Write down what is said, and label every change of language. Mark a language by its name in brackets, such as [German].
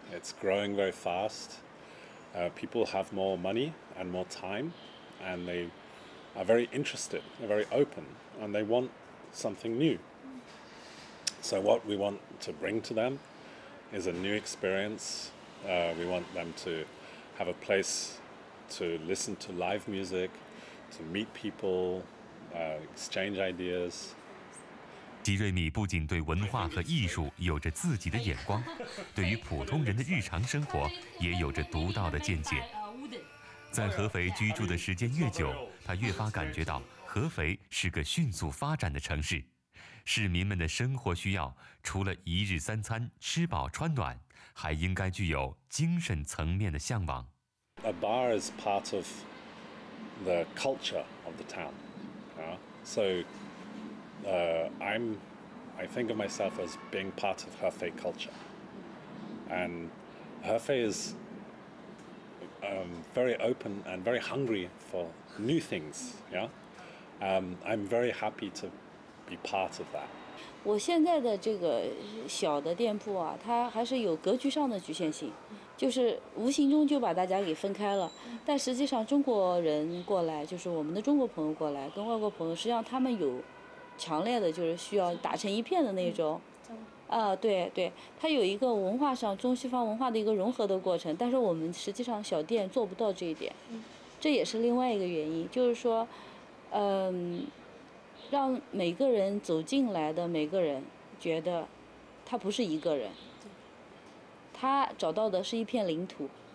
[English] It's growing very fast. People have more money and more time, and they are very interested, they're very open, and they want something new. So what we want to bring to them is a new experience. We want them to have a place to listen to live music, to meet people, exchange ideas. [Chinese] 吉瑞米不仅对文化和艺术有着自己的眼光，对于普通人的日常生活也有着独到的见解。在合肥居住的时间越久，他越发感觉到合肥是个迅速发展的城市，市民们的生活需要除了一日三餐吃饱穿暖，还应该具有精神层面的向往。 [English] A bar is part of the culture of the town, soI think of myself as being part of Hefei culture. And Hefei is very open and very hungry for new things, yeah? I'm very happy to be part of that. [Chinese] 我现在的这个小的店铺啊，它还是有格局上的局限性，就是无形中就把大家给分开了。但实际上中国人过来，就是我们的中国朋友过来，跟外国朋友，实际上他们有强烈的就是需要打成一片的那种，对对，它有一个文化上中西方文化的一个融合的过程，但是我们实际上小店做不到这一点，这也是另外一个原因，就是说，让每个人走进来的每个人觉得，他不是一个人，他找到的是一片领土。